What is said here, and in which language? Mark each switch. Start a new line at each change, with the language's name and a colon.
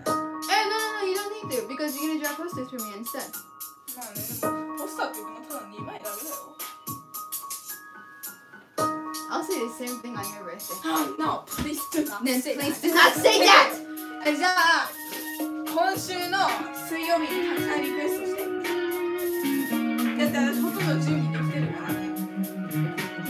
English: え、no, you don't need to, because you're gonna draw posters for me instead.
Japanese: まあね、でもポスターって言うのただ2枚だけだよ。
English: I'll say the same thing on your birthday. No, please do not say that. Please do not say that!
Japanese: え、じゃあ、今週の水曜日にたくさんリクエストして。だって私ほとんど準備できてるから。